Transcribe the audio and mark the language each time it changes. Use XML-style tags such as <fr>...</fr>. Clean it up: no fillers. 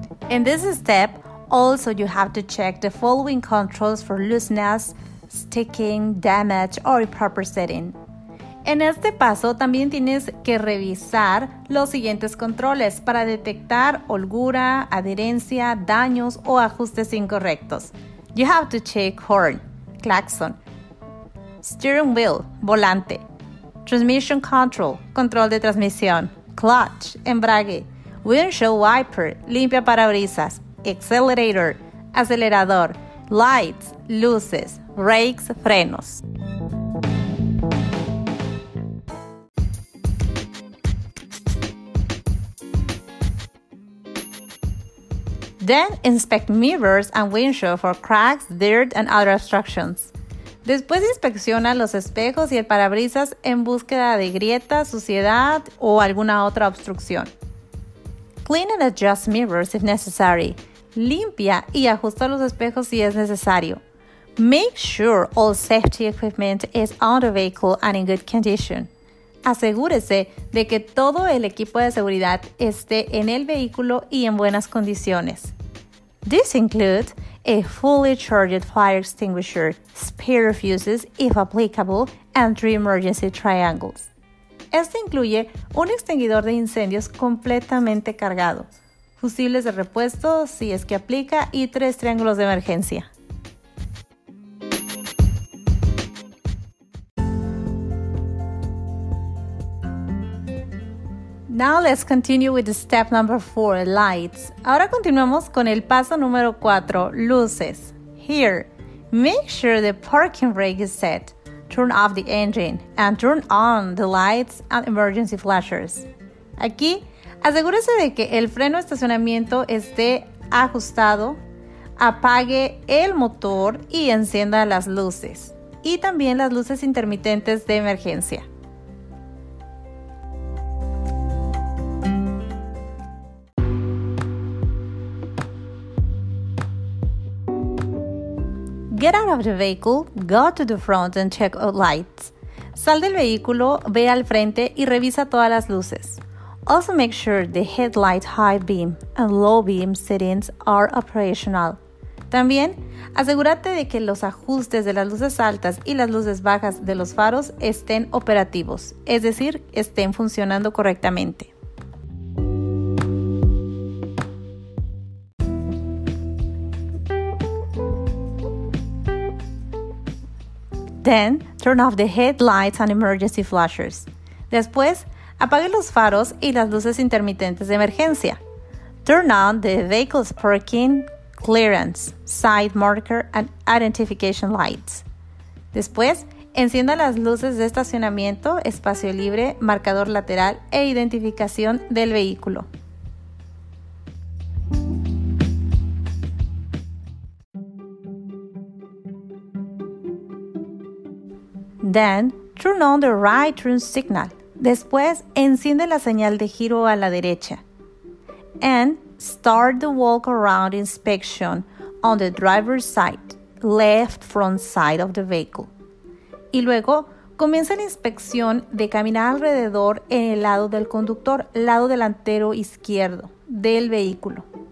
<en>In this step, also you have to check the following controls for looseness, sticking, damage, or improper setting.</en> <es>En este paso, también tienes que revisar los siguientes controles para detectar holgura, adherencia, daños o ajustes incorrectos. You have to check horn, claxon, steering wheel, volante, transmission control, control de transmisión, clutch, embrague, windshield wiper, limpia parabrisas, accelerator, acelerador, lights, luces, brakes, frenos.</es> <en>Then inspect mirrors and windshield for cracks, dirt, and other obstructions.</en> <es>Después inspecciona los espejos y el parabrisas en búsqueda de grietas, suciedad o alguna otra obstrucción.</es> <en>Clean and adjust mirrors if necessary.</en> <es>Limpia y ajusta los espejos si es necesario.</es> <en>Make sure all safety equipment is on the vehicle and in good condition.</en> <es>Asegúrese de que todo el equipo de seguridad esté en el vehículo y en buenas condiciones.</es> <en>This includes a fully charged fire extinguisher, spare fuses if applicable, and three emergency triangles.</en> <es>Este incluye un extinguidor de incendios completamente cargado, fusibles de repuesto si es que aplica y tres triángulos de emergencia.</es> <en>Now let's continue with step number 4, lights.</en> <es>Ahora continuamos con el paso número 4, luces.</es> <en>Here, make sure the parking brake is set. Turn off the engine and turn on the lights and emergency flashers.</en> <es>Aquí, asegúrese de que el freno de estacionamiento esté ajustado, apague el motor y encienda las luces. Y también las luces intermitentes de emergencia.</es> <en>Get out of the vehicle, go to the front and check out lights.</en> <es>Sal del vehículo, ve al frente y revisa todas las luces.</es> <en>Also make sure the headlight high beam and low beam settings are operational.</en> <es>También, asegúrate de que los ajustes de las luces altas y las luces bajas de los faros estén operativos, es decir, estén funcionando correctamente.</es> <en>Thank you. Then, turn off the headlights and emergency flashers.</en> <es>Después, apague los faros y las luces intermitentes de emergencia.</es> <en>Turn on the vehicle's parking, clearance, side marker, and identification lights.</en> <es>Después, encienda las luces de estacionamiento, espacio libre, marcador lateral e identificación del vehículo.</es> <en>Then, turn on the right turn signal.</en> <es>Después, enciende la señal de giro a la derecha.</es> <en>And start the walk around inspection on the driver's side, left front side of the vehicle.</en> <es>Y luego, comienza la inspección de caminar alrededor en el lado del conductor, lado delantero izquierdo del vehículo.</es>